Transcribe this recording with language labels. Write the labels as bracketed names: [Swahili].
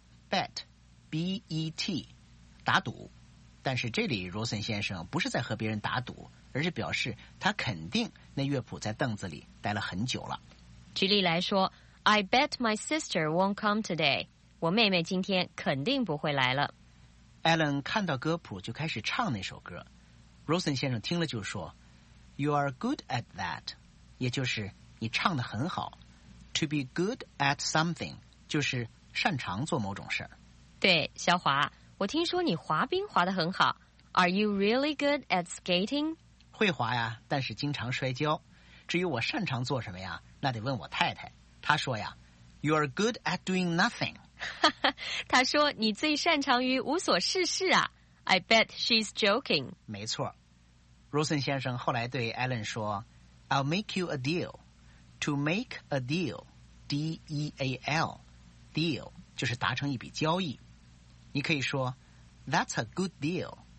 [English] Bet, B-E-T， [Chinese] 打赌。但是这里 Rosen 先生不是在和别人打赌，而是表示他肯定那乐谱在凳子里待了很久了。举例来说。 [English] I bet my sister won't come today. [Chinese] 我妹妹今天肯定不会来了。 Alan 看到歌谱就开始唱那首歌。 [English] Rosen [Chinese] 先生听了就说 [English] You are good at that. [Chinese] 也就是你唱得很好。 [English] To be good at something [Chinese] 就是擅长做某种事。对，小华，我听说你滑冰滑得很好。 [English] Are you really good at skating? [Chinese] 会滑呀，但是经常摔跤。至于我擅长做什么呀，那得问我太太。他说呀 [English] ，You are good at doing nothing. [Chinese] 他说你最擅长于无所事事啊。 [English] I bet she's joking. [Chinese] 没错 ，Rosen 先生后来对 Alan 说 ， [English] I'll make you a deal. To make a deal, D-E-A-L, deal [Chinese] 就是达成一笔交易。你可以说 [English] ，That's a good deal.